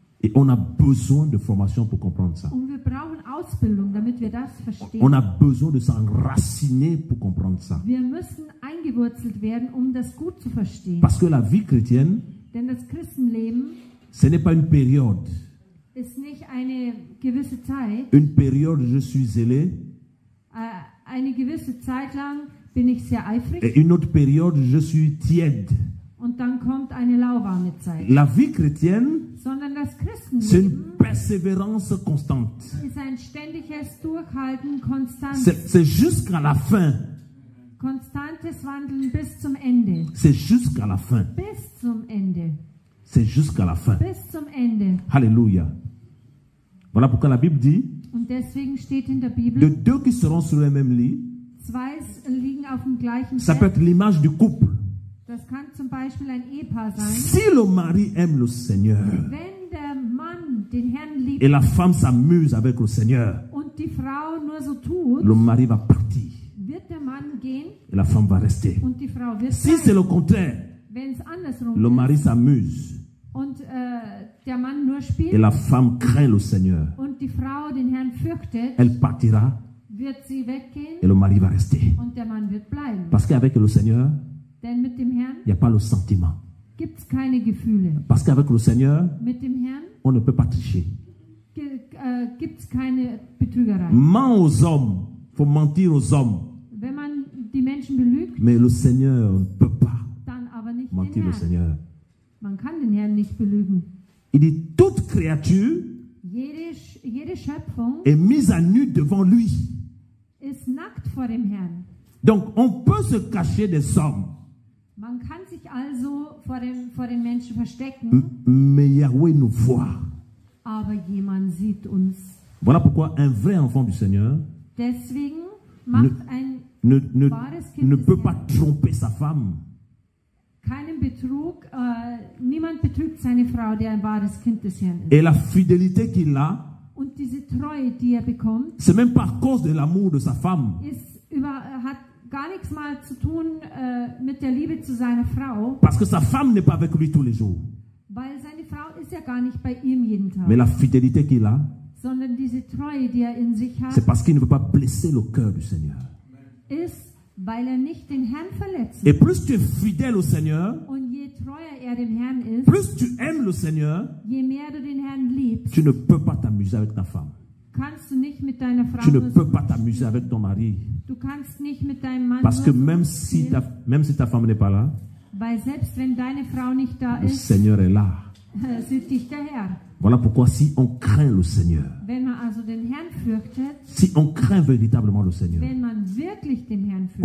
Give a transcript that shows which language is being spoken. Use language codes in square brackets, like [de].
[fr] Et on a besoin de formation pour comprendre ça. [de] Und wir brauchen Ausbildung, damit wir das verstehen. [fr] On a besoin de s'enraciner pour comprendre ça. [de] Wir müssen eingewurzelt werden, um das gut zu verstehen. [fr] Parce que la vie chrétienne, [de] denn das Christenleben, [fr] ce n'est pas une période. [de] Ist nicht eine gewisse Zeit. [fr] Une période je suis zélé. [de] Eine gewisse Zeit lang bin ich sehr eifrig. [fr] Et une autre période je suis tiède. [de] Und dann kommt eine lauwarme Zeit. [fr] La vie chrétienne, [de] sondern das Christenleben, [fr] c'est une persévérance constante. [de] Ist ein ständiges Durchhalten, konstant. [fr] C'est jusqu'à la fin. [de] Konstantes Wandeln bis zum Ende. [fr] C'est jusqu'à la fin. [de] Bis zum Ende. [fr] C'est jusqu'à la fin. [de] Bis zum Ende. Halleluja. [fr] Voilà pourquoi la Bible dit. [de] Und deswegen steht in der Bibel. [fr] De deux qui seront sur le même lit. [de] Zwei liegen auf dem gleichen Bett. [fr] Ça peut être l'image du couple. [de] Das kann zum Beispiel ein Ehepaar sein. [fr] Si le mari aime le Seigneur, [de] wenn der Mann den Herrn liebt, [fr] et la femme s'amuse avec le Seigneur, [de] und die Frau nur so tut, [fr] le mari va partir, [de] wird der Mann gehen, [fr] et la femme va rester. [de] Und die Frau wird [fr] si [de] sein. [fr] C'est le contraire, [de] wenn es andersrum [fr] le mari s'amuse, [de] und der Mann nur spielt, [fr] et la femme craint le Seigneur, [de] und die Frau den Herrn fürchtet, [fr] elle partira, [de] wird sie weggehen, [fr] et le mari va rester. [de] Und der Mann wird bleiben. [fr] Parce qu'avec le Seigneur, [de] denn mit dem Herrn, [fr] il y a pas le sentiment. [de] Gibt's keine Gefühle. [fr] Parce qu'avec le Seigneur, [de] mit dem Herrn, [fr] on ne peut pas tricher. [de] Gibt's keine Betrügerei. [fr] Ment aux hommes, faut mentir aux hommes. [de] Wenn man die Menschen belügt, [fr] mais le Seigneur ne peut pas. [de] Dann aber nicht [fr] mentir [de] den Herrn. [fr] Le Seigneur. [de] Man kann den Herrn nicht belügen. [fr] Il dit toute créature, [de] jede Schöpfung, [fr] est mise à nu devant lui. [de] Ist nackt vor dem Herrn. [fr] Donc on peut se cacher des hommes. [de] Man kann sich also vor den Menschen verstecken. [fr] Mais Yahweh nous voit. [de] Aber jemand sieht uns. [fr] Voilà pourquoi un vrai enfant du Seigneur [de] deswegen macht ein wahres Kind [fr] ne peut pas tromper sa femme. [de] Keinen Betrug, niemand betrügt seine Frau, die ein wahres Kind des Herrn ist. [fr] Et la fidélité qu'il a, [de] und diese Treue, die er bekommt, [fr] c'est même pas à cause de l'amour de sa femme. [de] Hat gar nichts mal zu tun mit der Liebe zu seiner Frau. [fr] Parce que sa femme n'est pas avec lui tous les jours. [de] Weil seine Frau ist ja gar nicht bei ihm jeden Tag. [fr] Mais la fidélité qu'il a, [de] sondern diese Treue, die er in sich hat, [fr] c'est parce qu'il ne veut pas blesser le cœur du Seigneur. [de] Ist, weil er nicht den Herrn verletzt. [fr] Et plus tu es fidèle au Seigneur, [de] und je treuer er dem Herrn ist, [fr] plus tu aimes le Seigneur, [de] je mehr du den Herrn liebst, [fr] tu ne peux pas t'amuser avec ta femme. [de] Kannst du nicht mit deiner Frau, [fr] tu ne peux pas t'amuser avec ton mari. [de] Du kannst nicht mit deinem Mann. [fr] Parce que même si ta femme n'est pas là, [de] weil selbst wenn deine Frau nicht da [fr] le Seigneur [de] ist, [fr] est là. [de] Sieht dich der Herr. [fr] Voilà pourquoi si on craint le Seigneur, [de] wenn man also den Herrn fürchtet, [fr] si on craint véritablement le Seigneur, [de] wenn man wirklich den Herrn fürchtet,